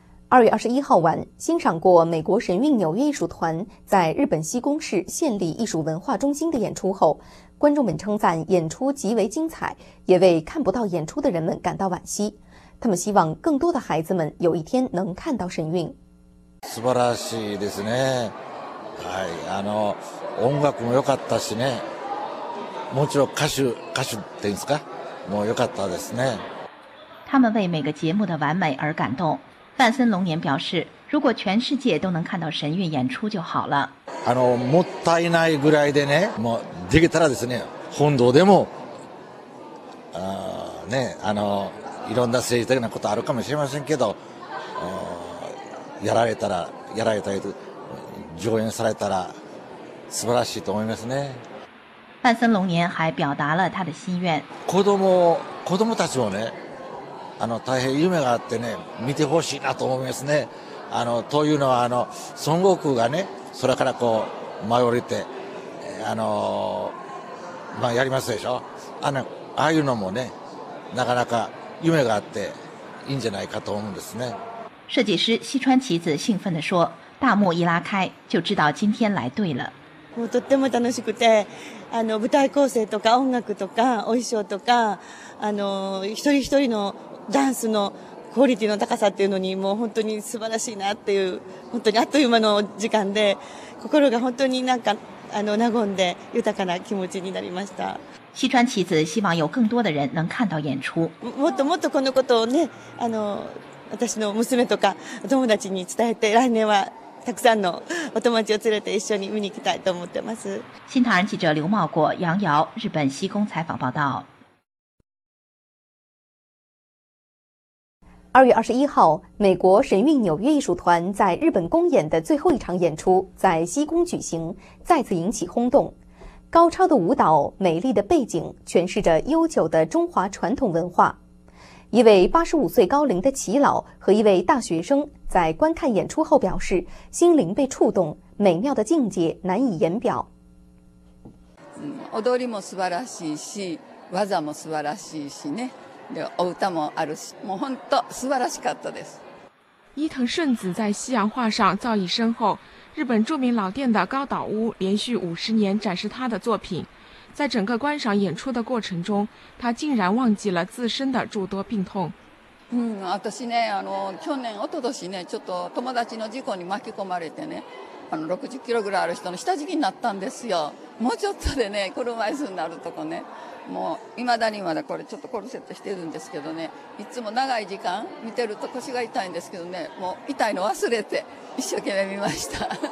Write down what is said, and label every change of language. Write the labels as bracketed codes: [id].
[zh] 2月21号晚，欣赏过美国神韵纽约艺术团在日本西宫市县立艺术文化中心的演出后，观众们称赞演出极为精彩，也为看不到演出的人们感到惋惜。他们希望更多的孩子们有一天能看到神韵。 [ja] 素晴らしいですね。はい、あの音楽も良かったしね。もちろん歌手っていうんですか、もう良かったですね。 [zh] 他们为每个节目的完美而感动。范森龙年表示，如果全世界都能看到神韵演出就好了。 [ja] あのもったいないぐらいでね、もうできたらですね、本土でも、ね、あのいろんな政治的なことあるかもしれませんけど、やられたり上演されたら素晴らしいと思いますね。 [zh] 范森龙年还表达了他的心愿。 [ja] 子供たちもね。あの大変夢があってね、見てほしいなと思いますね。あのというのはあの孫悟空がね、空からこう舞い降りて、まあ、やりますでしょ。ああいうのもね、なかなか夢があっていいんじゃないかと思うんですね。 [zh] 设计师西川棋子兴奋地说：“大幕一拉开，就知道今天来对了。” [ja] もうとっても楽しくて、あの舞台構成とか音楽とかお衣装とか、あの一人一人のダンスのクオリティの高さっていうのにもう本当に素晴らしいなっていう、本当にあっという間の時間で、心が本当になんかあの和んで豊かな気持ちになりました。 [zh] 西川棋子希望有更多的人能看到演出。 [ja] もっともっとこのことをね、あの私の娘とか友達に伝えて、来年はたくさんのお友達を連れて一緒に見に行きたいと思ってます。 [zh] 新唐人記者刘茂国、杨瑶、日本西宫采访报道。 2月21号，美国神韵纽约艺术团在日本公演的最后一场演出在西宫举行，再次引起轰动。高超的舞蹈、美丽的背景，诠释着悠久的中华传统文化。一位85岁高龄的耆老和一位大学生在观看演出后表示，心灵被触动，美妙的境界难以言表。 [ja] 踊りも素晴らしいし、技も素晴らしいしね。でお歌もあるし、もう本当素晴らしかったです。 [zh] 伊藤顺子在西洋画上造诣深厚，日本著名老店的高岛屋连续50年展示他的作品，在整个观赏演出的过程中，他竟然忘记了自身的诸多病痛。 [ja] 私ね、あの去年一昨年ね、ちょっと友達の事故に巻き込まれてね、あの60キロぐらいある人の下敷きになったんですよ。もうちょっとでね、車椅子になるとこね、もういまだにまだこれちょっとコルセットしてるんですけどね、いつも長い時間見てると腰が痛いんですけどね、もう痛いの忘れて一生懸命見ました。